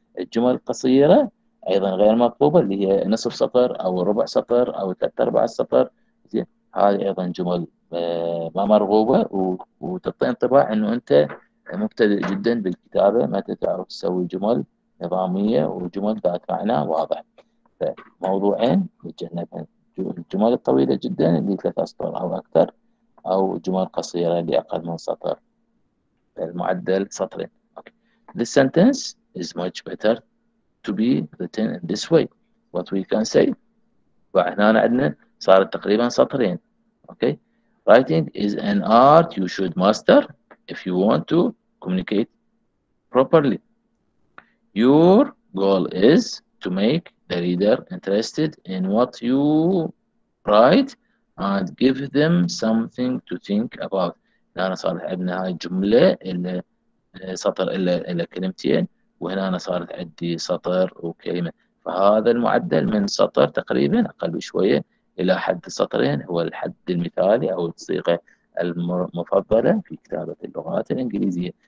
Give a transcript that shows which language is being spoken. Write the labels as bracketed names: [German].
[Arabic] الجمل القصيرة أيضا غير مطلوبة اللي هي نصف سطر أو ربع سطر أو ثلاثة أرباع السطر، هذه أيضا جمل ما مرغوبة وتعطي انطباع أنه أنت مبتدئ جدا بالكتابة، ما تعرف تسوي جمل نظامية وجمل ذات معنى واضح. موضوعين نتجنبهم، الجمل الطويلة جدا اللي ثلاث أسطر أو أكثر أو جمل قصيرة اللي أقل من سطر المعدل سطرين. [English] Okay. This sentence is much better to be written in this way. What we can say؟ [Arabic] وهنا عندنا صارت تقريبا سطرين. [English] Okay. Writing is an art you should master if you want to communicate properly. Your goal is to make the reader interested in what you write and give them something to think about. [Arabic] هنا صارت عندنا هاي الجملة اللي سطر إلا كلمتين وهنا صارت عندي سطر وكلمة، فهذا المعدل من سطر تقريبا أقل بشوية إلى حد سطرين هو الحد المثالي أو الصيغة المفضلة في كتابة اللغات الإنجليزية.